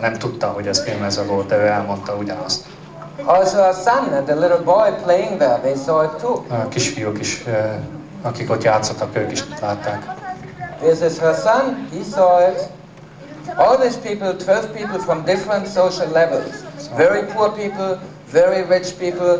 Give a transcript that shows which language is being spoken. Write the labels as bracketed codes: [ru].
[hu] nem tudta, hogy ez filmezve volt, de ő elmondta ugyanazt. [en] Also a son and a little boy playing there, they saw it too. [hu] A kisfiúk is, akik ott játszottak, ők is látták. [en] This is her son, he saw it. All these people, 12 people from different social levels. Very poor people, very rich people.